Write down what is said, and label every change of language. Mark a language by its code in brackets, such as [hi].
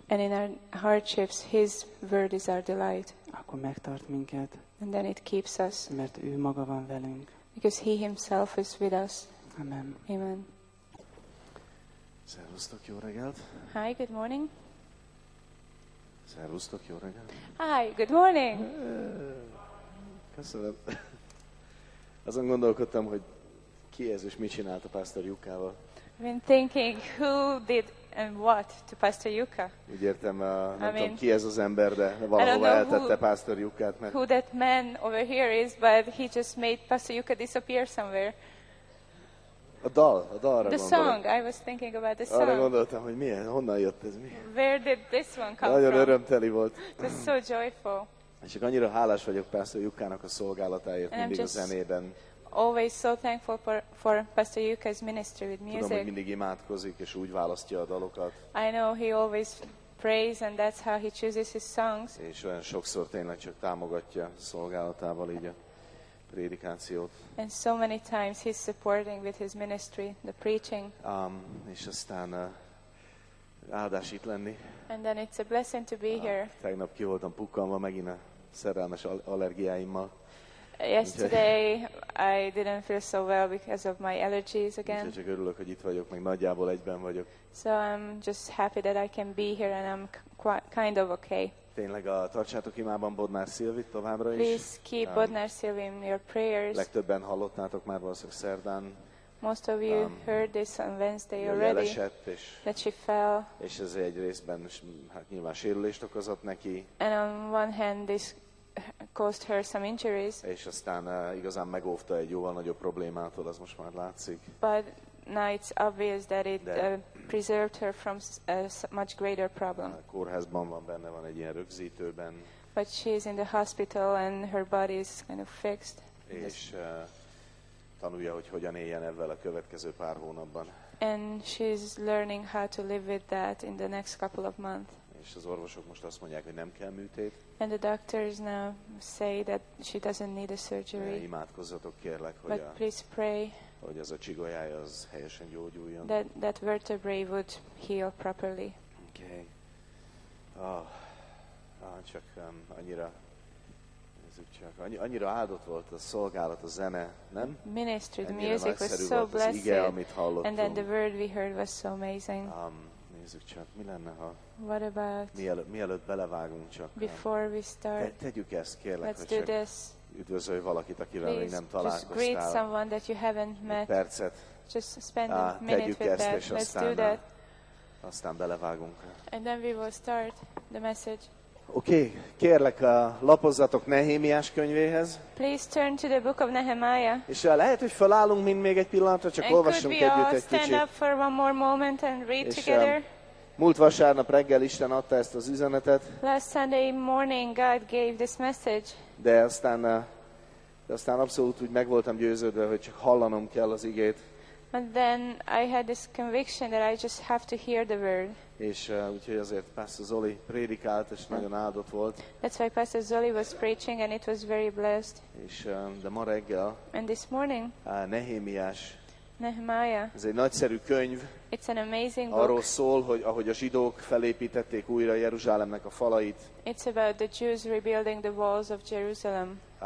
[en] And in our hardships, his word is our delight. [hu] Akkor megtart minket. [en] And then it keeps us. [hu] Mert ő maga van velünk. [en] Because he himself is with us. Amen. Amen. [hu] Szervusztok, jó reggelt. [en] Hi, good morning. [hu] Szervusztok, jó reggelt. [en] Hi, good morning. [hu] Köszönöm. Azon gondolkodtam, hogy ki ez és mit csinált a Pásztor Jukkával. [en] I've been thinking who did and what to Pastor Jukka. [hu] Úgy értem, nem tudom, ki ez az ember, de valahova eltette Pastor Jukkát. Mert... [en] Who that man over here is, but he just made Pastor Jukka disappear somewhere. [hu] A dalra [en] the [hu] gondolom. [en] Song, I was thinking about the song. [hu] Arra gondoltam, hogy milyen, honnan jött ez, mi? [en] Where did this one come [hu] nagyon [en] from? [hu] Nagyon örömteli volt. [en] Just so joyful. [hu] És csak annyira hálás vagyok Pastor Jukkának a szolgálatáért [en] and [hu] mindig [en] just... [hu] a zenében. [en] Always so thankful for Pastor Yuka's ministry with music. [hu] Tudom, hogy mindig imádkozik, és úgy választja a dalokat. [en] I know he always prays and that's how he chooses his songs. [hu] És olyan sokszor tényleg csak támogatja szolgálatával így a prédikációt. [en] And so many times he's supporting with his ministry, the preaching. [hu] És aztán áldás itt lenni. [en] And then it's a blessing to be here. [hu] Tegnap ki voltam pukkanva megint a szerelmes allergiáimmal. [en] Yesterday I didn't feel so well because of my allergies again. [hu] Csak örülök, hogy itt vagyok, meg nagyjából egyben vagyok. [en] So I'm just happy that I can be here and I'm quite, kind of okay. [hu] Tényleg a tartsátok imában Bodnár Szilvit továbbra is. [en] Please keep Bodnár Szilvi in your prayers. [hu] Legtöbben hallottátok már valószínűleg szerdán. [en] Most of you heard this on Wednesday already. [hu] Esett, és [en] that she fell. [hu] És ez egy részben hát nyilván sérülést okozott neki. [en] And on one hand this caused her some injuries. [hu] És aztán igazán megóvta egy jóval nagyobb problémától, az most már látszik. [en] But now it's obvious that it preserved her from a much greater problem. [hu] A kórházban van, benne van egy ilyen rögzítőben. [en] But she's in the hospital and her body is kind of fixed. [hu] És tanulja, hogy hogyan éljen ezzel a következő pár hónapban. [en] And she's learning how to live with that in the next couple of months. [hu] És az orvosok most azt mondják, hogy nem kell műtét. [en] And the doctors now say that she doesn't need a surgery. [hu] Imádkozzatok kérlek, hogy [en] but please pray. [hu] Hogy az a csigolyája az helyesen gyógyuljon. [en] That vertebrae would heal properly. Okay. [hu] Ah, csak annyira annyira áldott volt a szolgálat, a zene, nem? [en] Ministry, the music was so blessed. [hu] Ige, amit hallottunk. [en] And then the word we heard was so amazing. [hu] Nézzük csak, mi lenne, ha [en] what about [hu] mielőtt belevágunk csak. [en] Before we start, [hu] tegyük ezt, kérlek, [en] let's do this. [hu] Üdvözölj valakit, akivel még nem találkoztál. [en] Just greet someone that you haven't met. [hu] Egy percet. [en] Just spend a minute [hu] tegyük [en] with [hu] ezt, [en] that. [hu] És [en] let's do that. [hu] Aztán belevágunk. [en] And then we will start the message. [hu] Okay, kérlek, lapozzatok Nehémiás könyvéhez. [en] Please turn to the book of Nehemiah. [hu] És lehet, hogy felállunk mind még egy pillanatra, csak [en] and [hu] olvassunk együtt egy kicsit. [en] And could we all stand up for one more moment and read [hu] és, [en] together? [hu] Múlt vasárnap reggel Isten adta ezt az üzenetet. [en] Last Sunday morning God gave this message. [hu] De aztán abszolút úgy meg voltam győződve, hogy csak hallanom kell az igét. [en] And then I had this conviction that I just have to hear the word. [hu] És úgyhogy azért Pastor Zoli prédikált, és nagyon áldott volt. [en] That's why Pastor Zoli was preaching and it was very blessed. [hu] És de ma reggel. [en] And this morning. [hu] Nehémiás. [en] Nehemiah. [hu] Ez egy nagyszerű könyv. [en] It's an amazing book. [hu] Arról szól, hogy ahogy a zsidók felépítették újra Jeruzsálemnek a falait. [en] It's about the Jews rebuilding the walls of Jerusalem.